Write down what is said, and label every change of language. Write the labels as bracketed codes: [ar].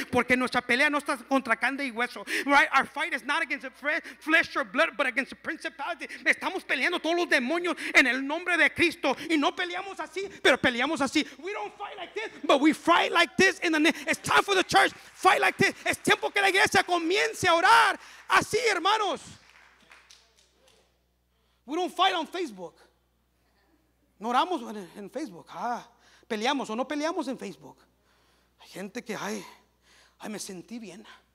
[es] Porque nuestra pelea no está contra carne y hueso. [en] Right? Our fight is not against the flesh or blood, but against the principality. [es] Estamos peleando todos los demonios en el nombre de Cristo. Y no peleamos así, pero peleamos así. [en] We don't fight like this, but we fight like this in the name. It's time for the church. Fight like this. [es] Es tiempo que la iglesia comience a orar. Así, hermanos. [en] We don't fight on Facebook. [es] No oramos en Facebook. Ah, peleamos o no peleamos en Facebook. Hay gente que, ay, me sentí bien.